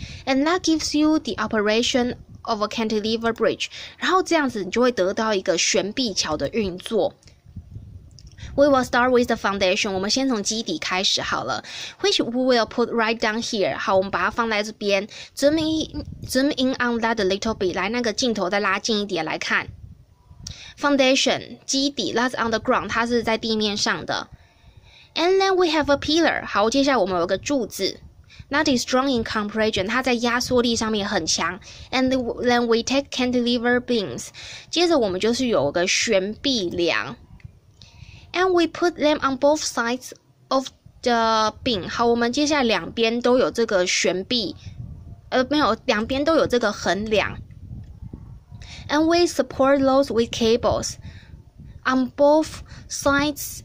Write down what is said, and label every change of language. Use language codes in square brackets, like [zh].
[en] And that gives you the operation of a cantilever bridge. [zh] 然后这样子你就会得到一个悬臂桥的运作。 [en] We will start with the foundation. [zh] 我们先从基底开始好了。 [en] Which we will put right down here. [zh] 好，我们把它放在这边。 [en] Zoom in on that a little bit. [zh] 来，那个镜头再拉近一点来看。 [en] Foundation, [zh] 基底 [en] that's on the ground. [zh] 它是在地面上的。 [en] And then we have a pillar. [zh] 好，接下来我们有个柱子。 [en] That is strong in compression. [zh] 它在压缩力上面很强。 [en] And then we take cantilever beams. [zh] 接着我们就是有个悬臂梁。 [en] And we put them on both sides of the beam. [zh] 好，我们接下来两边都有这个悬臂，没有，两边都有这个横梁。 [en] And we support those with cables on both sides.